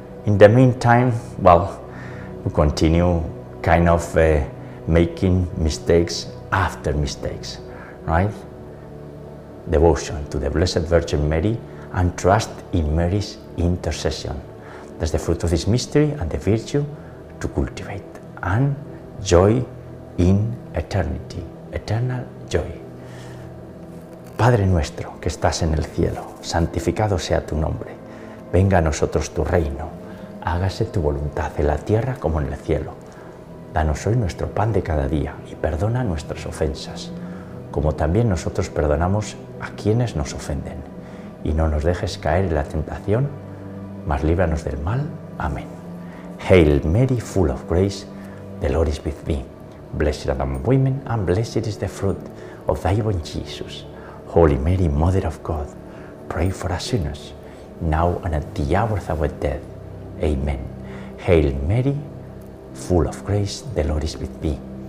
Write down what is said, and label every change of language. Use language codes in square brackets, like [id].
[en] In the meantime, well, we continue kind of making mistakes after mistakes, right? Devotion to the Blessed Virgin Mary and trust in Mary's intercession. That's the fruit of this mystery and the virtue to cultivate, and joy in eternity, eternal joy. [es] Padre nuestro que estás en el cielo, santificado sea tu nombre. Venga a nosotros tu reino, hágase tu voluntad en la tierra como en el cielo. Danos hoy nuestro pan de cada día y perdona nuestras ofensas, como también nosotros perdonamos a quienes nos ofenden. Y no nos dejes caer en la tentación, mas líbranos del mal. Amén. [en] Hail Mary, full of grace, the Lord is with thee. Blessed art thou among women, and blessed is the fruit of thy womb, Jesus. Holy Mary, Mother of God, pray for us sinners, now and at the hour of our death. Amen. Hail Mary, full of grace, the Lord is with thee.